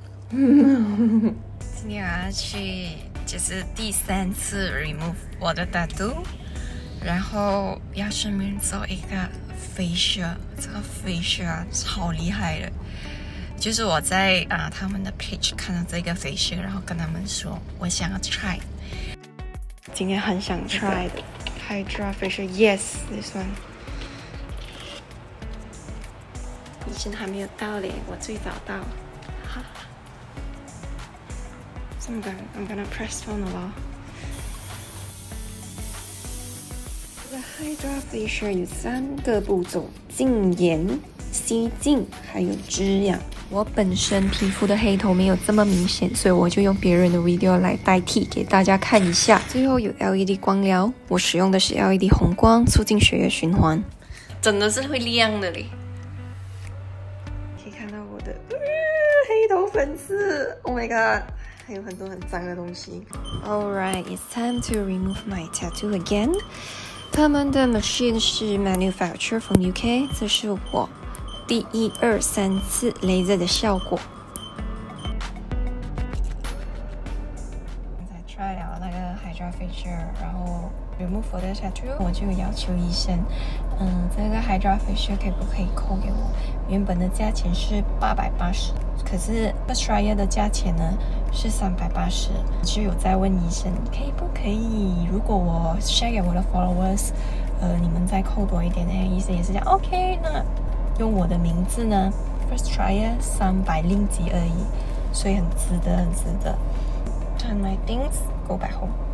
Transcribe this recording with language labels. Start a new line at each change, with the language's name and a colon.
Chinese: Today I'm going to, 就是第三次 remove 我的 tattoo， 然后要顺便做一个 facial。这个 facial 超厉害的，就是我在他们的 page 看到这个 facial， 然后跟他们说我想要 try。今天很想 try 的。
English: Hydra facial, yes, this one.
Chinese: 医生还没有到咧，我最早到。
English: So I'm gonna press on a lot.
Chinese: The Hydra facial 有三个步骤：净颜、吸净，还有滋养。我本身皮肤的黑头没有这么明显，所以我就用别人的 video 来代替给大家看一下。最后有 LED 光疗，我使用的是 LED 红光，促进血液循环，真的是会亮的嘞！可以看到我的黑头粉刺 ， Oh my god，还有很多很脏的东西。
English: All right， it's time to remove my tattoo again。
Chinese: 他们的 machine 是 manufactured from UK，这是我。第一二三次雷射的效果。刚才 try 了那个 Hydra Facial， 然后 remove 我的 tattoo， 我就要求医生，这个 Hydra Facial 可不可以扣给我？原本的价钱是880，可是 Australia 的价钱呢是380，就有在问医生，可以不可以？如果我 share 给我的 followers， 你们再扣多一点呢？医生也是讲 OK， 那。用我的名字呢 ，First Trial 300令吉而已，所以很值得，很值得。
English: Turn my things, go back home.